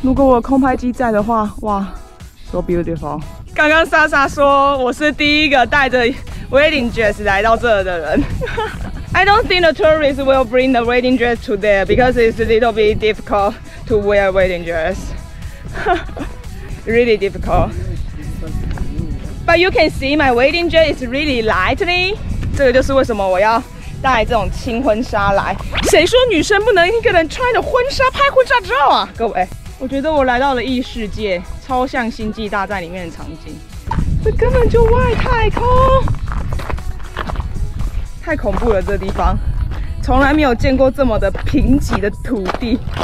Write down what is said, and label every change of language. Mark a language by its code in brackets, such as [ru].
[zh] 如果我空拍机在的话，哇 ， [en] so beautiful！ [zh] 刚刚莎莎说我是第一个带着 wedding dress 来到这的人。 [en] I don't think the tourists will bring the wedding dress to there because it's a little bit difficult to wear wedding dress. Really difficult. But you can see my wedding dress is really lightly. [zh] 这个就是为什么我要带这种轻婚纱来。谁说女生不能一个人穿着婚纱拍婚纱照啊？各位，我觉得我来到了异世界，超像星际大战里面的场景，这根本就外太空，太恐怖了。这地方从来没有见过这么的贫瘠的土地。